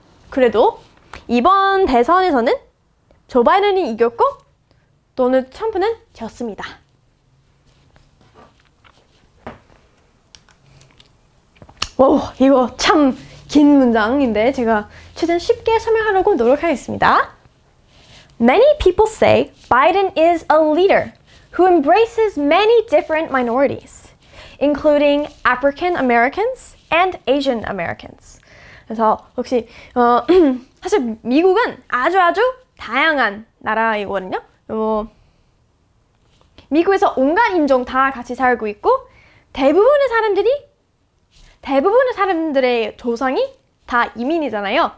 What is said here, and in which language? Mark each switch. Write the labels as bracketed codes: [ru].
[ko] 그래도 이번 대선에서는 조 바이든이 이겼고 도널드 트럼프는 졌습니다. 오, 이거 참 긴 문장인데 제가 최대한 쉽게 설명하려고 노력하겠습니다. [en] Many people say Biden is a leader who embraces many different minorities, including African Americans and Asian Americans. [ko] 그래서 혹시 사실 미국은 아주 아주 다양한 나라이거든요. 미국에서 온갖 인종 다 같이 살고 있고 대부분의 사람들의 조상이 다 이민이잖아요.